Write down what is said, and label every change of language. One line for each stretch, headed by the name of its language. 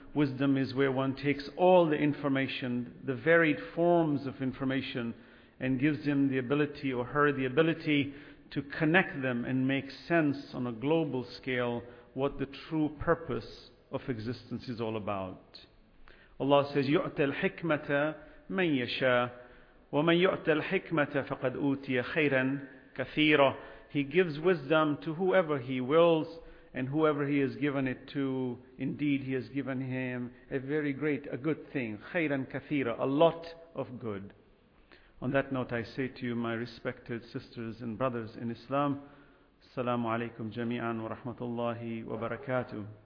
English: Wisdom is where one takes all the information, the varied forms of information, and gives him the ability or her the ability to connect them and make sense on a global scale what the true purpose of existence is all about. Allah says,
Arabic: يُعْتَى الْحِكْمَةَ مَنْ يَشَاءَ وَمَنْ يُعْتَى الْحِكْمَةَ فَقَدْ أُوْتِيَ خَيْرًا كَثِيرًا.
English: He gives wisdom to whoever he wills, and whoever he has given it to, indeed he has given him a good thing,
Arabic: خَيْرًا كَثِيرًا,
English: a lot of good. On that note, I say to you, my respected sisters and brothers in Islam,
Arabic: Assalamu alaikum jami'an wa rahmatullahi wa barakatuh.